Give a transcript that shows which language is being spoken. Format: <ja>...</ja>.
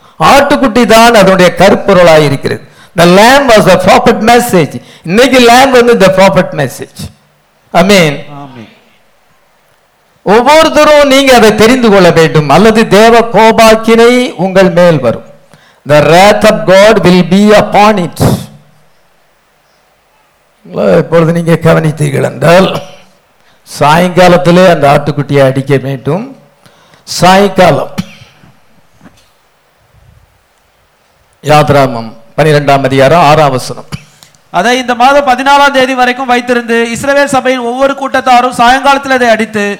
<ta>ஆட்டுக்குட்டி தான் அதனுடைய கருப்பொருளாக இருக்கிறது.</ta> <en>The lamp was the prophet message.</en> <ta>இன்னைக்கு லேம்ப் வந்து</ta> <en>The prophet message.</en> <ta>ஆமென். ஒவ்வொருத்தரும் நீங்க அதை தெரிந்து கொள்ள வேண்டும், அல்லது தேவ கோபாக்கினை உங்கள் மேல் வரும்.</ta> <en>The wrath of God will be upon it.</en> <ta>இப்பொழுது நீங்க கவனித்தீர்கள் என்றால் சாயங்காலத்திலே அந்த ஆட்டுக்குட்டியை அடிக்க வேண்டும். சாயங்காலம் யாத்ராமம் 12:6 அதை இந்த மாதம் 14 வரைக்கும் வைத்திருந்து இஸ்ரவேல் சபையின் ஒவ்வொரு கூட்டத்தாரும் சாயங்காலத்தில் அதை அடித்து,</ta>